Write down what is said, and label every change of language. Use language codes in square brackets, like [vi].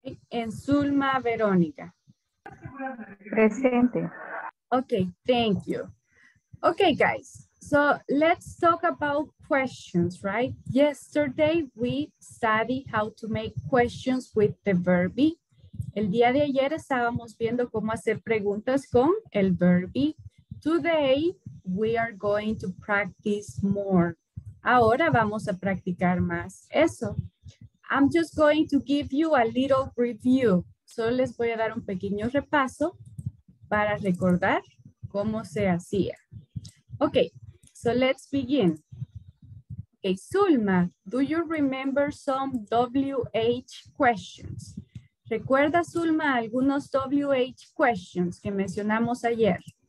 [en] And Zulma Verónica. [es] Presente. [en] Okay, thank you. Okay, guys. So let's talk about questions, right? Yesterday we studied how to make questions with the verb be. [es] El día de ayer estábamos viendo cómo hacer preguntas con el [en] verb be. Today we are going to practice more. [es] Ahora vamos a practicar más eso. [en] I'm just going to give you a little review. [es] Solo les voy a dar un pequeño repaso para recordar cómo se hacía. [en] Okay. So let's begin. Okay, Zulma, do you remember some WH questions? [es] ¿Recuerda, Zulma, algunos [en] WH questions [es] que mencionamos ayer?